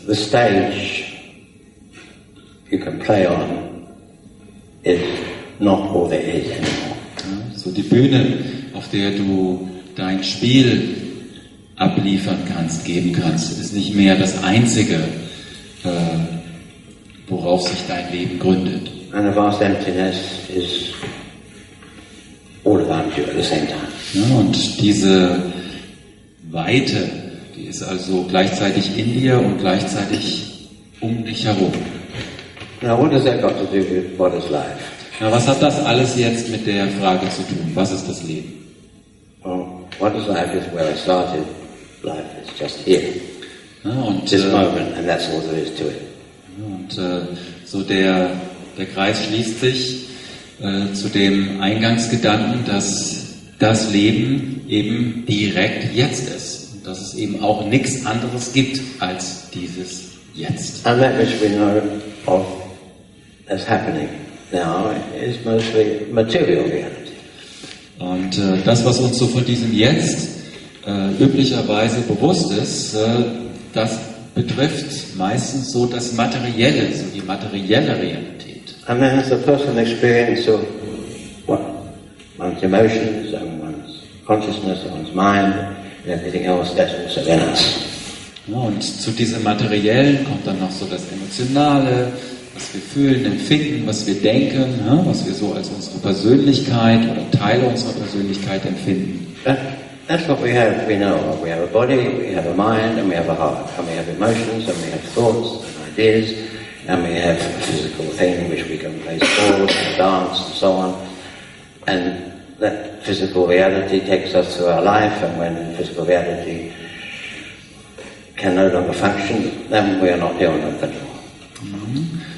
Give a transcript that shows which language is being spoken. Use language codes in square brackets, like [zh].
[en] The stage you can play on is not all there is anymore. [de] So die Bühne, auf auf der du dein Spiel abliefern kannst, geben kannst, ist nicht mehr das Einzige, worauf sich dein Leben gründet. [en] And a vast emptiness is all around you at the same time. [de] Ja, und diese Weite, die ist also gleichzeitig in dir und gleichzeitig um dich herum. [en] Now, what does that got to do with what is life? [de] Na, was hat das alles jetzt mit der Frage zu tun? Was ist das Leben? [en] Well, what is life is where I started. Life is just here. [de] Ja, und, [en] this moment, and that's all there is to it. [de] Und so der Kreis schließt sich zu dem Eingangsgedanken, dass das Leben eben direkt jetzt ist. Und dass es eben auch nichts anderes gibt als dieses Jetzt. [en] And that which we know of as happening now is mostly material reality. [de] Und das, was uns so von diesem Jetzt üblicherweise bewusst ist, das betrifft meistens so das Materielle, so die materielle Realität. [en] And then it's a personal experience of what? One's emotions and one's consciousness and one's mind and everything else that's also in us. [de] Und zu diesem Materiellen kommt dann noch so das Emotionale, was wir fühlen, empfinden, was wir denken, was wir so als unsere Persönlichkeit oder Teile unserer Persönlichkeit empfinden. [en] That's what we have, we know. We have a body, we have a mind, and we have a heart. And we have emotions, and we have thoughts, and ideas, and we have a physical thing in which we can play sports, and dance, and so on. And that physical reality takes us through our life, and when physical reality can no longer function, then we are not dealing with it.